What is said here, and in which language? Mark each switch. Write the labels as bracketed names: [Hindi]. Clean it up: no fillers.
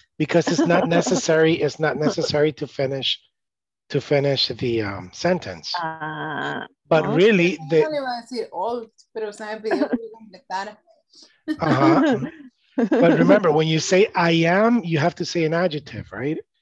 [English] Because it's not necessary to finish the sentence. But no, really, the... [Spanish] No le iba a decir old, pero se me pidió que completara. Uh-huh. [English] But remember, when you say I am, you have to say an adjective, right?